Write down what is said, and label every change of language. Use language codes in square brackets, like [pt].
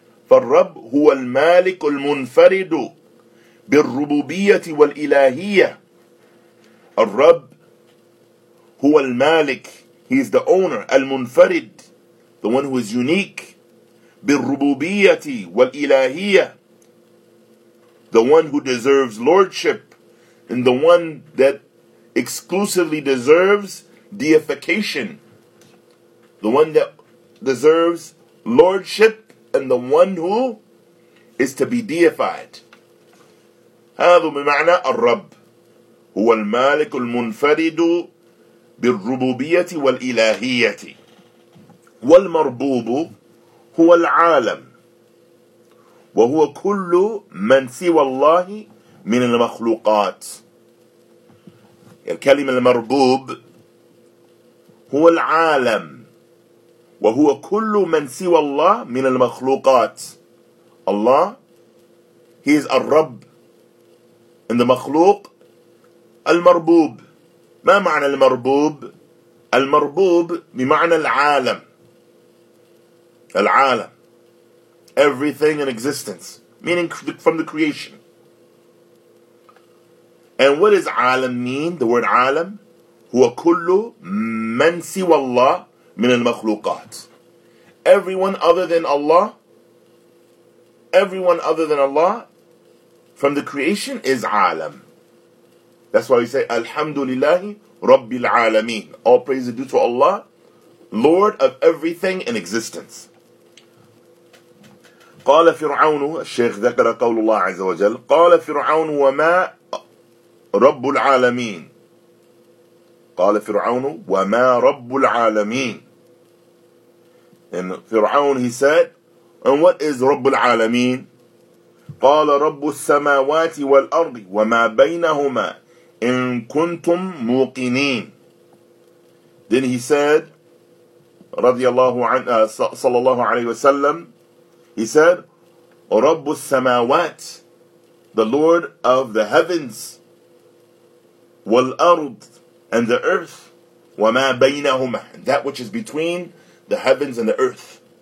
[ar] فالرب هو المالك المنفرد بالربوبية والإلهية. الرب هو المالك, [en] he is the owner, [ar] المنفرد, [en] the one who is unique, [ar] بالربوبية والإلهية, [en] the one who deserves lordship, and the one that exclusively deserves deification, the one that deserves lordship, and the one who is to be deified. [ar] هذا بمعنى الرب هو المالك المنفرد بالربوبيه والالهيه والمربوب هو العالم وهو كل من سوى الله من المخلوقات. الكلمه المربوب هو العالم وهو كل من سوى الله من المخلوقات. [en] الله, he is الرب in the مخلوق. [ar] المربوب, ما معنى المربوب؟ المربوب بمعنى العالم, العالم, [en] everything in existence, meaning from the creation. And what does عالم mean? The word [ar] عالم هو كل من سوى الله من المخلوقات. [en] Everyone other than Allah, everyone other than Allah from the creation is عالم. That's why we say [ar] الحمد لله رب العالمين. [en] All praise is due to Allah, Lord of everything in existence. [ar] قال فرعون, الشيخ ذكر قول الله عز وجل, قال فرعون وما رب العالمين. قال فرعون وما رب العالمين. And فرعون, [en] he said, and what is [ar] رب العالمين؟ قال رب السماوات والأرض وما بينهما إن كنتم موقنين. [en] Then he said, [ar] رضي الله عنه, صلى الله عليه وسلم, [en] he said, [ar] رب السماوات, [en] the Lord of the heavens, [ar] والأرض, [en] and the earth, [ar] وما بينهما, [en] that which is between the heavens and the earth.